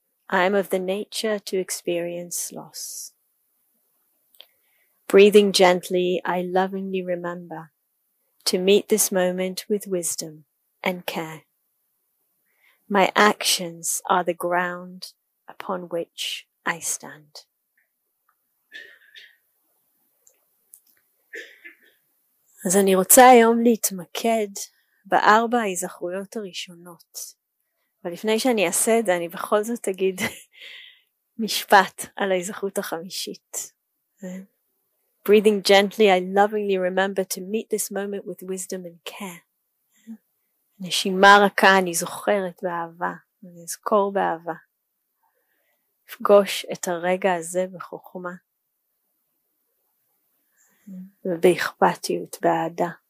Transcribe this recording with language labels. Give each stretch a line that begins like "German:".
English: I am of the nature to experience loss. Breathing gently, I lovingly remember to meet this moment with wisdom and care. My actions are the ground upon which I stand.
Hebrew: אז אני רוצה היום להתמקד בארבע ההיזכרויות הראשונות. ולפני שאני אעשה את זה, אני בכל זאת אגיד משפט על ההיזכרות החמישית.
English: Breathing gently, I lovingly remember to meet this moment with wisdom and care.
Hebrew: נשימה רכה, אני זוכרת באהבה, אני אזכור באהבה. לפגוש את הרגע הזה בחוכמה. ובאכפתיות, באהדה.